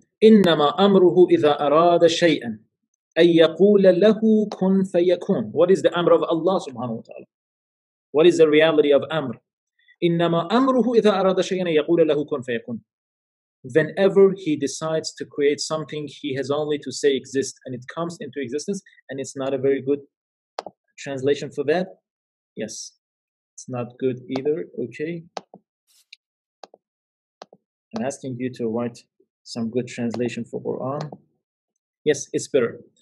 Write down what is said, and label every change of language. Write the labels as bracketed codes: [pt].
[ar] إِنَّمَا أَمْرُهُ إِذَا أَرَادَ شَيْئًا أَن يَقُولَ لَهُ كُنْ فَيَكُونَ. [en] What is the amr of Allah subhanahu wa ta'ala? What is the reality of amr? [ar] إِنَّمَا أَمْرُهُ إِذَا أَرَادَ شَيْئًا أَن يَقُولَ لَهُ كُنْ فَيَكُونَ. [en] Whenever he decides to create something, he has only to say exist, and it comes into existence. And it's not a very good translation for that. Yes, it's not good either. Okay. I'm asking you to write some good translation for Quran. Yes, it's better.